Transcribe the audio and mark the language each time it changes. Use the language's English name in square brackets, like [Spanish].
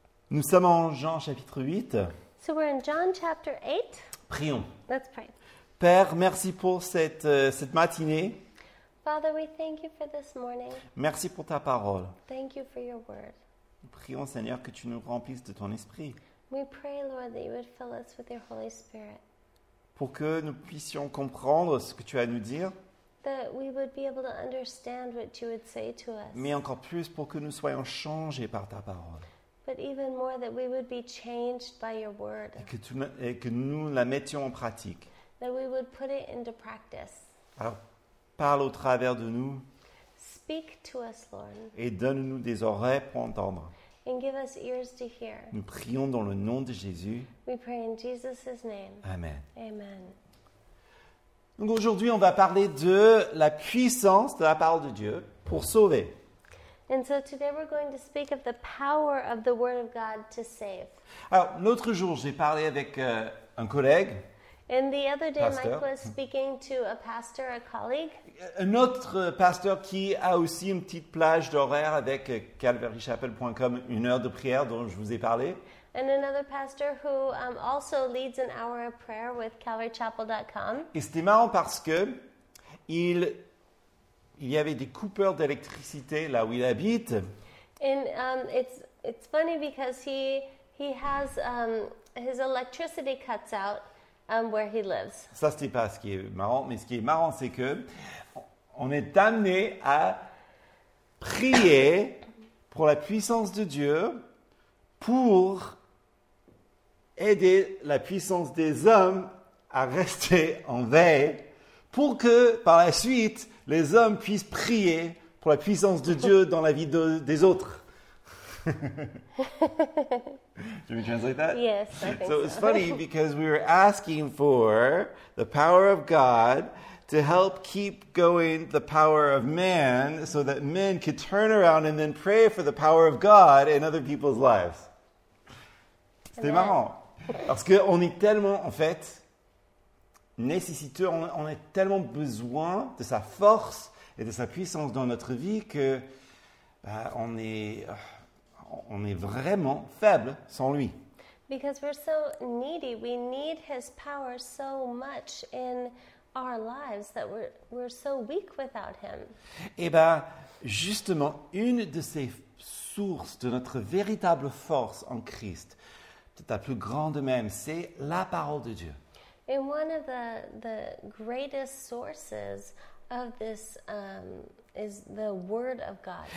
[French] Nous sommes en Jean chapitre 8. [English] So we're in John chapter 8. [French] Prions. [English] Let's pray. [French] Père, merci pour cette matinée. [English] Father, we thank you for this morning. [French] Merci pour ta parole. [English] Thank you for your word. [French] Nous prions, Seigneur, que tu nous remplisses de ton esprit. [English] We pray, Lord, that you would fill us with your Holy Spirit. [French] Pour que nous puissions comprendre ce que tu as à nous dire. [English] That we would be able to understand what you would say to us. [French] Mais encore plus pour que nous soyons changés par ta parole. [English] But even more that we would be changed by your word. [French] Et que nous la mettions en pratique. [English] That we would put it into practice. [French] Alors, parle au travers de nous. [English] Speak to us, Lord. [French] Et donne-nous des oreilles pour entendre. [English] And give us ears to hear. [French] Nous prions dans le nom de Jésus. [English] We pray in Jesus' name. [French] Amen. [English] Amen. [French] Donc aujourd'hui, on va parler de la puissance de la parole de Dieu pour sauver. [English] And so today we're going to speak of the power of the word of God to save. [French] Alors, l'autre jour, j'ai parlé avec un collègue. [English] And the other day, pasteur. Mike was speaking to a pastor, a colleague. [French] Un autre pasteur qui a aussi une petite plage d'horaire avec calvarychapel.com, une heure de prière dont je vous ai parlé. [English] And another pastor who also leads an hour of prayer with calvarychapel.com. [French] Et c'était marrant parce que il y avait des coupures d'électricité là où il habite. [English] And it's funny because he has his electricity cuts out where he lives. [French] Ça, c'était pas ce qui est marrant, mais ce qui est marrant, c'est que on est amené à prier pour la puissance de Dieu pour aider la puissance des hommes à rester en veille pour que, par la suite, les hommes puissent prier pour la puissance de Dieu dans la vie des autres. [English] Do you want to translate that? Yes, I think so. So it's funny because we were asking for the power of God to help keep going the power of man so that men could turn around and then pray for the power of God in other people's lives. [French] C'était marrant. Parce qu'on est tellement, en fait, nécessiteux, on a tellement besoin de sa force et de sa puissance dans notre vie que on est vraiment faible sans lui. [English] Because we're so needy, we need his power so much in our lives that we're so weak without him. [French] Et bien, justement, une de ces sources de notre véritable force en Christ, ta plus grande même, c'est la parole de Dieu. [English] And one of the greatest sources of this is the word of God.